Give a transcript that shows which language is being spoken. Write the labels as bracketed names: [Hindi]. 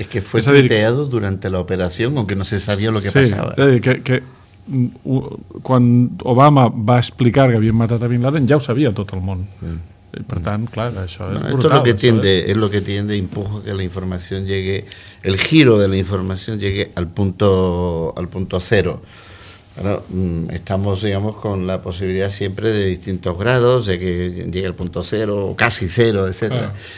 [Spanish] Es que fue tuiteado durante la operación, aunque no se sabía lo que pasaba. [Catalan] Sí, és a dir, que quan Obama va explicar que havien matat a Bin Laden, ja ho sabia tot el món. Mm. Per tant, clar, això és brutal. [Spanish] Esto es lo que tiende empuja que la información llegue, el giro de la información llegue al punto cero. Bueno, estamos, digamos, con la posibilidad siempre de distintos grados, de que llegue al punto cero, o casi cero, etcétera. Ah.